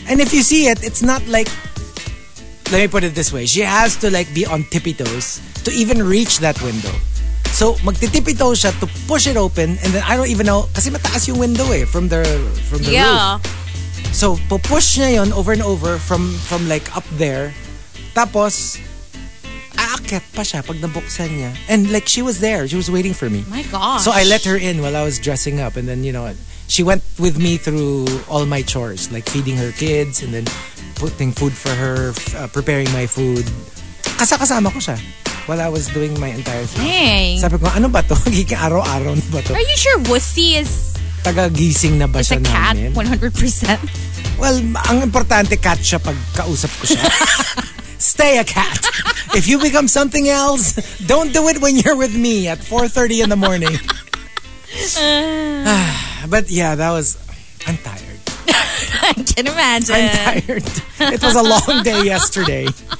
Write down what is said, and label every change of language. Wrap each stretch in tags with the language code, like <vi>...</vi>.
<en>And if you see it, it's not like. Let me put it this way. She has to like be on tippy toes to even reach that window. So,</en> <tl>magtitipito siya</tl> <en>to push it open, and then I don't even know,</en> <tl>kasi mataas yung window eh,</tl> <en>from the yeah. roof. So,</en> <tl>pupush niya yon</tl> <en>over and over from like up there.</en> <tl>Tapos, aakit pa siya pag nabuksan niya.</tl> <en>And like, she was there. She was waiting for me. My gosh. So, I let her in while I was dressing up, and then, you know, she went with me through all my chores, like feeding her kids, and then putting food for her, preparing my food.</en> <tl>Kasama ko siya.</tl> <en>While I was doing my entire thing. Hey.</en> <tl>Sabi ko, ano ba to? Giging araw-araw na ba to?</tl> <en>Are you sure Wussy is...</en> <tl>Taga-gising na ba siya namin?</tl> <en>It's a cat, namin? 100%.</en> <tl>Well, ang importante, cat siya pag kausap ko siya.</tl> <en>Stay a cat. If you become something else, don't do it when you're with me at 4:30 in the morning. But yeah, that was... I'm tired. I can imagine. I'm tired. It was a long day yesterday.</en>